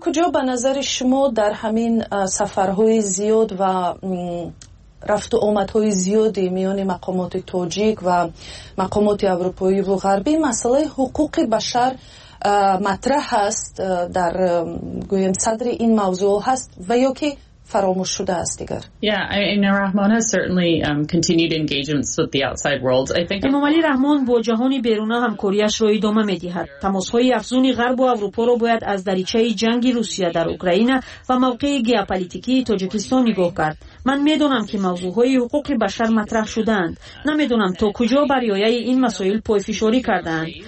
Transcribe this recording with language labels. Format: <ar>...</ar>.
<fa>کجا به نظر شما در همین سفرهای زیاد و رفت و آمدهای زیادی میان مقامات تاجیک و مقامات اروپایی و غربی مسئله حقوق بشر مطرح هست در گویم صدر این موضوع هست و یا که فراموش شده است دیگر؟</fa> <en>رحمان certainly continued engagements with the outside world. I think</en> <fa>امام علی رحمان با جهان بیرون همکاریش را ادامه می دهد. تماس های افزون غرب و اروپا را باید از دریچه جنگ روسیه در اوکراین و موقع گیاپولیتیکی تاجیکستان نگاه کرد. من می دانم که موضوع های حقوق بشر مطرح شدند. نمی دانم تا کجا برای این مسائل پایفشاری کردند.</fa>